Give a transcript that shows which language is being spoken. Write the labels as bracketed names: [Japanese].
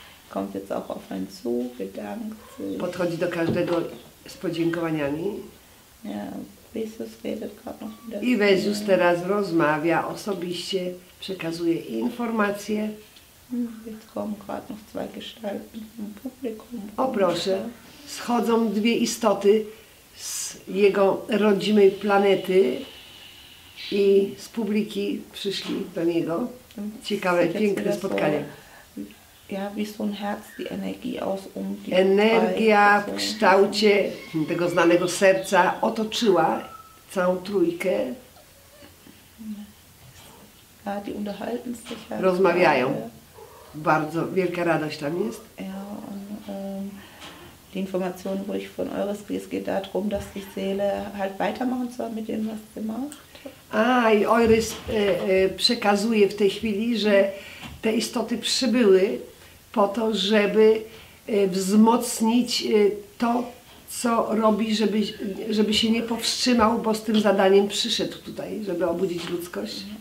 [German] Kommt jetzt auch auf einen zu, bedankt sich. [Polish] Podchodzi do każdego z podziękowaniami. [German] Ja, Jesus redet gerade noch mit der Familie. [Polish] I Jesus teraz rozmawia osobiście, przekazuje informacje. [German] Jetzt kommen gerade noch zwei Gestalten vom Publikum. [Polish] O proszę, schodzą dwie istoty z jego rodzimej planety i z publiki przyszli do niego. Ciekawe, piękne spotkanie. [German] Ja, wie so ein Herz, die Energie aus um die [Polish] Energia w kształcie tego znanego serca otoczyła całą trójkę. [German] Ja, die unterhalten sich. [Polish] Rozmawiają. Bardzo wielka radość tam jest. [German] Ja, und die Informationen, wo ich von eures Gries, geht darum, dass die Seele halt weitermachen soll mit dem, was sie macht. [Polish] A, i Eures przekazuje w tej chwili, że te istoty przybyły po to, żeby wzmocnić to, co robi, żeby się nie powstrzymał, bo z tym zadaniem przyszedł tutaj, żeby obudzić ludzkość.